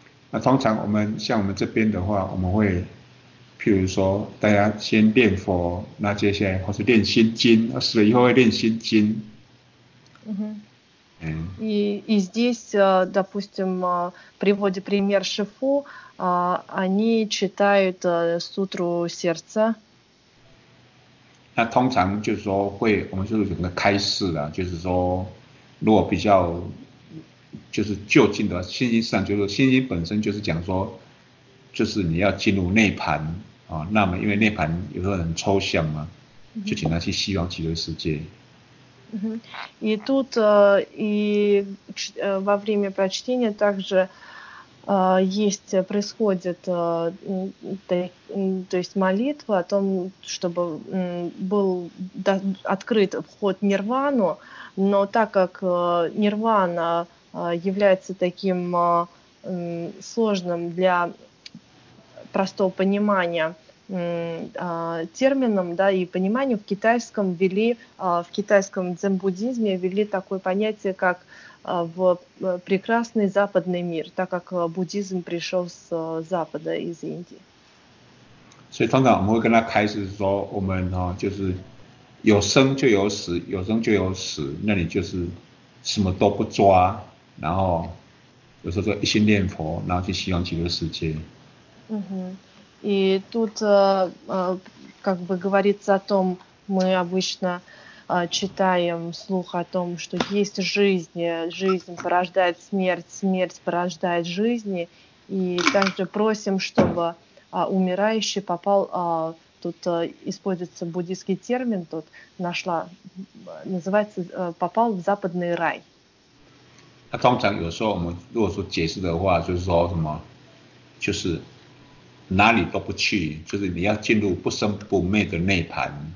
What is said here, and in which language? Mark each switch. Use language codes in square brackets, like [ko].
[zh] 那通常我们像我们这边的话，我们会，譬如说，大家先念佛，那接下来或是念心经，死了以后会念心经。 [ru] И здесь, допустим, приводит пример Шифу, они читают сутру сердца. [zh] 那通常就是说会，我们就是整个开示啦，就是说，如果比较。就是就近的信息上，就是信息本身就是讲说，就是你要进入涅槃那么因为涅槃有时候很抽象嘛，就请他去西方极乐世界。 [ru] И тут во время прочтения также происходит то есть молитва о том, чтобы был открыт вход в нирвану, но так как нирвана является таким сложным для простого понимания термином, да, и пониманием в китайском дзен-буддизме ввели такое понятие, как в прекрасный западный мир, так как буддизм пришел с запада, из Индии. [zh] 所以通常我们会跟他开始说，我们就是有生就有死，有生就有死，那你就是什么都不抓，然后有时候就一心念佛，然后去西方极乐世界。 [ru] И тут, как бы говорится о том, мы обычно читаем вслух о том, что есть жизнь, жизнь порождает смерть, смерть порождает жизни, и также просим, чтобы умирающий попал, тут используется буддийский термин, тут нашла, называется, попал в западный рай. [zh] 那通常有时候我们如果说解释的话，就是说什么，就是哪里都不去，就是你要进入不生不灭的涅槃。